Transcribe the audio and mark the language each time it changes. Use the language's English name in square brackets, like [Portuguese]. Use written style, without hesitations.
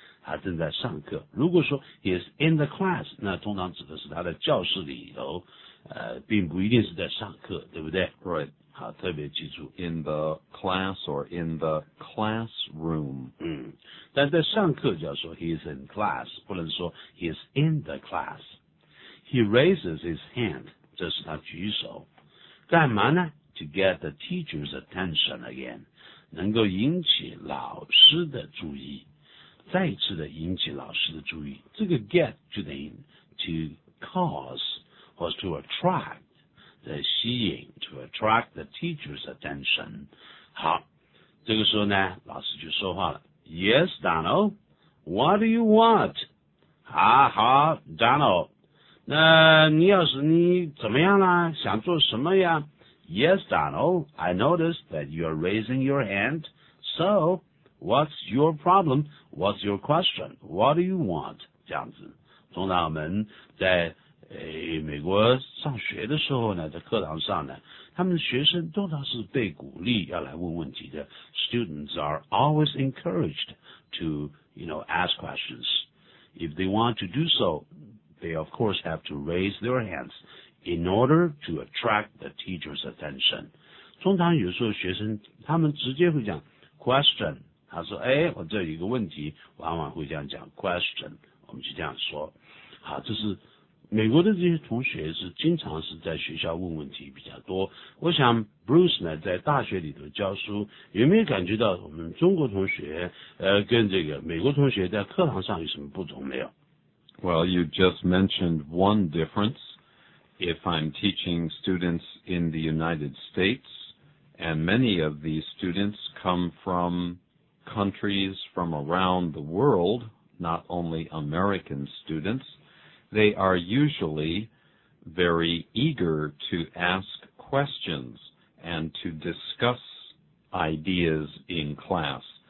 [Chinese] 他正在上课。如果说 [English] he is in the class, [Chinese] 那通常指的是他的教室里头并不一定是在上课对不对 [English] Right. [Chinese] 好特别记住 [English] in the class or in the classroom. [Chinese] 但在上课就要说 [English] he is in class, [Chinese] 不能说 [English] he is in the class. He raises his hand. [Chinese] 这是他举手干嘛呢 [English] to get the teacher's attention again [Chinese] 能够引起老师的注意再一次的引起老师的注意这个 get 就等于 to cause 或是 to attract 在吸引 [English] to attract the teacher's attention [Chinese] 好这个时候呢老师就说话了 [English] Yes Donald What do you want? [Chinese] 哈哈 Donald, 那你要是你怎么样啦、啊、想做什么呀 [English] Yes, Donald, I noticed that you're raising your hand. So, what's your problem? What's your question? What do you want? [Chinese] 这样子。通常我们在、美国上学的时候呢，在课堂上呢，他们学生通常是被鼓励要来问问题的。 [English] Students are always encouraged to, you know, ask questions. If they want to do so, they of course have to raise their hands in order to attract the teacher's attention. [Chinese] 通常有时候学生他们直接会讲 question， 他说哎，我这有一个问题，往往会这样讲 question， 我们就这样说。好，这是美国的这些同学是经常是在学校问问题比较多。我想 Bruce 呢在大学里头教书，有没有感觉到我们中国同学跟这个美国同学在课堂上有什么不同没有？ [English] Well, you just mentioned one difference. If I'm teaching students in the United States, and many of these students come from countries from around the world, not only American students,They are usually very eager to ask questions and to discuss ideas in class.